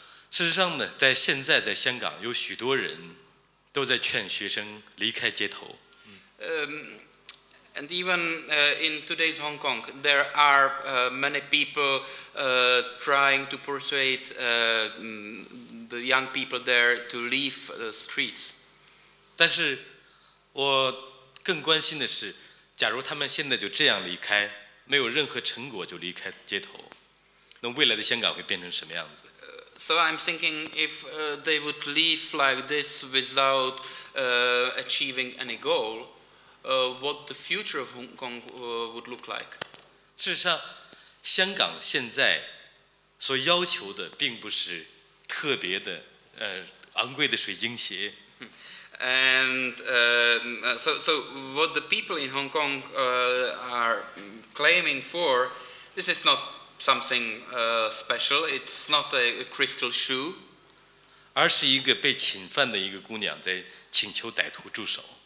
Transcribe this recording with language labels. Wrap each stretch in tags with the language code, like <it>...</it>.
<zh>事实上呢，在现在在香港，有许多人都在劝学生离开街头。</zh> <en>And even in today's Hong Kong, there are many people trying to persuade the young people there to leave the streets.</en> <zh>但是我更关心的是, 假如他们现在就这样离开, 没有任何成果就离开街头, 那未来的香港会变成什么样子?</zh> <en>So I'm thinking if they would leave like this without achieving any goal, what the future of Hong Kong would look like?</en> <zh>事实上,香港现在所要求的并不是特别的 昂贵的水晶鞋</zh> <en>And so what the people in Hong Kong are claiming for, this is not something special, it's not a crystal shoe.</en> <zh>而是一个被侵犯的一个姑娘在请求歹徒住手</zh>